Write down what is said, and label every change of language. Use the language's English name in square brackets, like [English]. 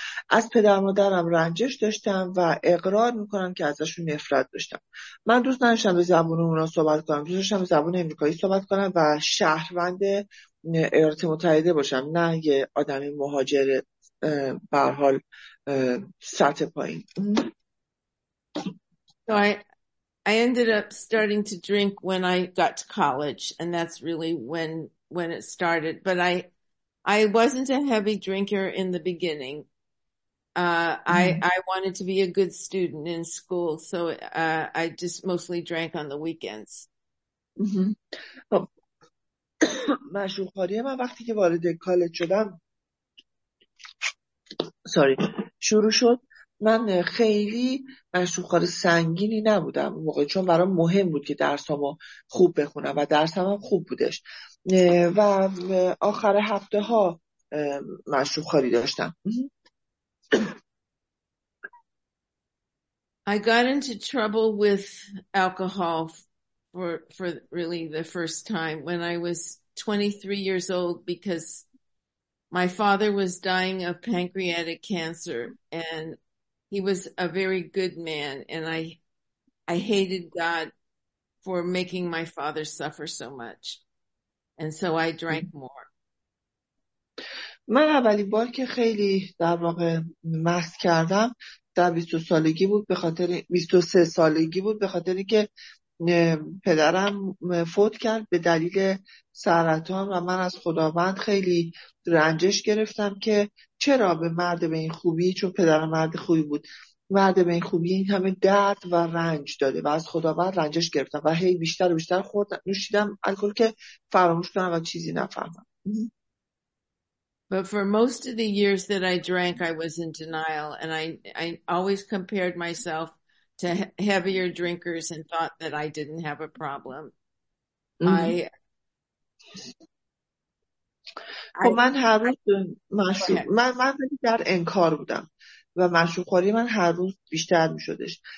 [Persian] از پدر مادرم رنجش داشتم و اقرار میکنم که ازشون نفرت داشتم. من دوست نداشتم به زبون اونا صحبت کنم، دوست داشتم به زبون امریکایی صحبت کنم و شهروند ایالات متحده باشم، نه یه آدم مهاجر به حال سطح پایین. [English] I ended up starting to drink when I got to college, and that's really when it started. But I wasn't a heavy drinker in the beginning. I wanted to be a good student in school, so I just mostly drank on the weekends. [Persian] مشروب‌خوری من وقتی که وارد کالج شدم شروع شد، من خیلی مشروب‌خوار سنگینی نبودم اون موقع، چون برام مهم بود که درسامو خوب بخونم و درسام هم خوب بودش و آخر هفته ها مشروب‌خواری داشتم. [English] I got into trouble with alcohol for really the first time when I was 23 years old because my father was dying of pancreatic cancer and he was a very good man, and I hated God for making my father suffer so much, and so I drank more. [Persian] من اولین بار که خیلی در واقع مست کردم در 22 سالگی بود، به خاطر 23 سالگی بود، به خاطر اینکه پدرم فوت کرد به دلیل سرطان و من از خداوند خیلی رنجش گرفتم که چرا به مرد به این خوبی، چون پدرم مرد خوبی بود، مرد به این خوبی این همه درد و رنج داده و از خداوند رنجش گرفتم و هی بیشتر و بیشتر خوردم، نوشیدم الکل که فراموش کنم و چیزی نفهمم. [English] But for most of the years that I drank, I was in denial and I always compared myself to heavier drinkers and thought that I didn't have a problem. [Persian] خب من هر روز من در انکار بودم و مشروب خوری من هر روز بیشتر می شدش.